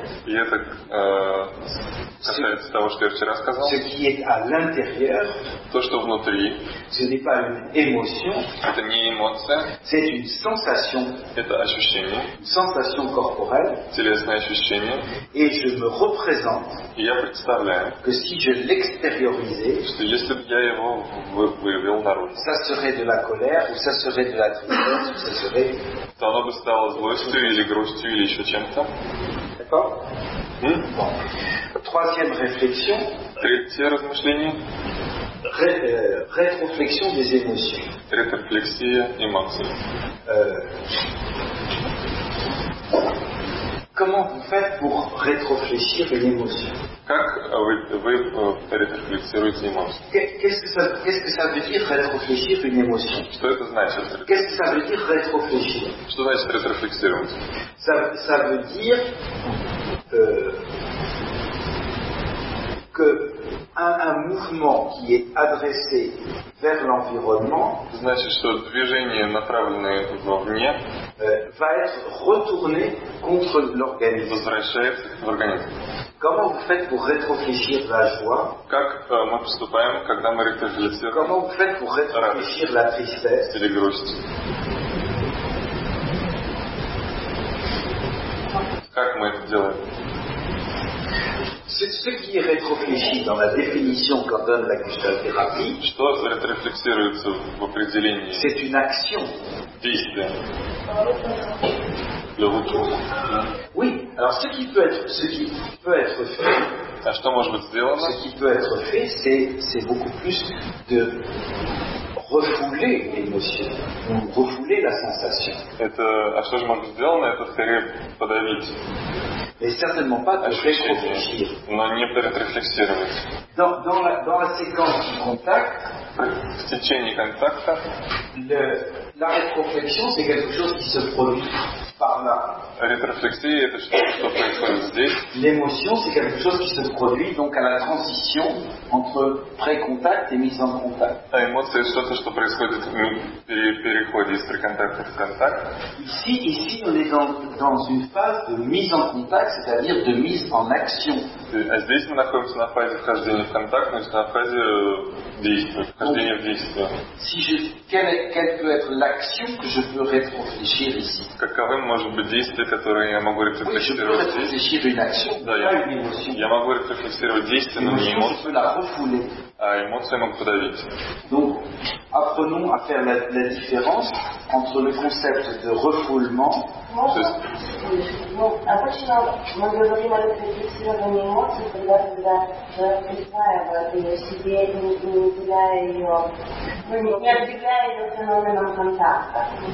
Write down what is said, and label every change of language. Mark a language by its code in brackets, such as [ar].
[ru] И это касается того, что я вчера сказал. [fr] Ce qui est à l'intérieur. [ru] То, что внутри. [fr] Ce n'est pas une émotion. [ru] Это не эмоция. [fr] C'est une sensation. [ru] Это ощущение. [fr] Une sensation corporelle. [ru] Телесное ощущение. [fr] Et je me représente. [ru] И я представляю. [fr] Que si je l'extériorisais. [ru] Что если бы я его вывел наружу. [fr] Ça serait de la colère ou ça serait de la tristesse ou ça serait. [ru] То оно бы стало злостью или грустью или еще чем-то. [fr] Troisième réflexion. [ru] Третье размышление. [fr] Rétroflexion des émotions. [ru] Рефлексия эмоций. [fr] Comment vous faites pour rétroflexir une émotion? [ru] Как вы рефлексируете эмоции? [fr] Qu'est-ce que ça veut dire rétroflexir une émotion? [ru] Что это значит? [fr] Qu'est-ce que ça veut dire rétroflexir? [ru] Что значит рефлексировать? [fr] Ça veut dire que un mouvement qui est adressé vers l'environnement, [ru] значит, что движение, направленное вовне, [fr] va être retourné contre l'organisme. [ru] Возвращается в организм. [fr] Comment vous faites pour rétrofléchir la joie? [ru] Как мы поступаем, когда мы рефлексируем? [fr] Comment vous faites pour rétrofléchir la tristesse? [ru] Или грусть? Как мы это делаем? [fr] C'est ce qui est rétrofléchi dans la définition qu'on donne la gestalt-thérapie. [ru] Что рефлексируется в определении? [fr] C'est une action. [ru] Действие. [fr] Le retour. Oui. Alors ce qui peut être, ce qui peut être fait. [ru] А что может быть сделано? [fr] Ce qui peut être fait, c'est beaucoup plus de refouler l'émotion, refouler la sensation. [ru] Это, а что же может быть сделано? Это скорее подавить. [fr] Mais certainement pas pour rétrofléchir. [ru] Но не рефлексировать. [fr] Dans la séquence du contact, [ru] в течение контакта, [fr] la rétroflexion, c'est quelque chose qui se produit par là. [ru] Рефлексия – это что происходит здесь. [fr] L'émotion, c'est quelque chose qui se produit donc à la transition entre pré-contact et mise en contact. [ru] А эмоция – что-то, что происходит в переходе из преконтакта в контакт. [fr] Ici, on est dans une phase de mise en contact, c'est-à-dire de mise en action. [ru] А здесь мы находимся на фазе вхождения в контакт, значит, на фазе действия, вхождения в действие. [fr] Si je, quelle peut être l'action que je peux rétrofléchir ici? [ru] Каковым может быть действие, которые я могу рефлексировать действие, но не эмоцию. А эмоцию я могу подавить. [fr] Donc, apprenons à faire la différence entre le concept de refoulement. [ru] Обычно мы говорим о рефлексировании эмоций, когда рефлексируем ее себе, не отделяя ее феноменом контакта.